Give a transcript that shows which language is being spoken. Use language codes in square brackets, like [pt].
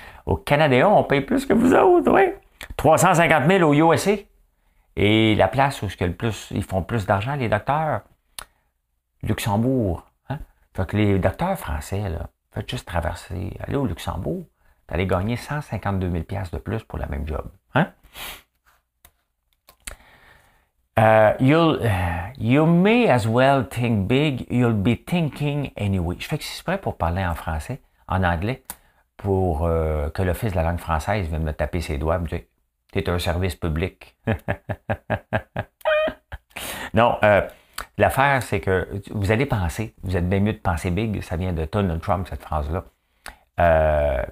[fr] Au Canada, on paye plus que vous autres, oui. 350 000 au USA. Et la place où ils font plus d'argent, les docteurs, Luxembourg. Hein? Fait que les docteurs français, là, faites juste traverser, aller au Luxembourg, vous allez gagner 152 000 piastres de plus pour la même job. Hein? [en] You may as well think big, you'll be thinking anyway. [fr] Je fais que si c'est prêt pour parler en français, en anglais, pour que l'Office de la langue française vienne me taper ses doigts et me dire, t'es un service public. Non, l'affaire, c'est que vous allez penser, vous êtes bien mieux de penser big, ça vient de Donald Trump, cette phrase-là.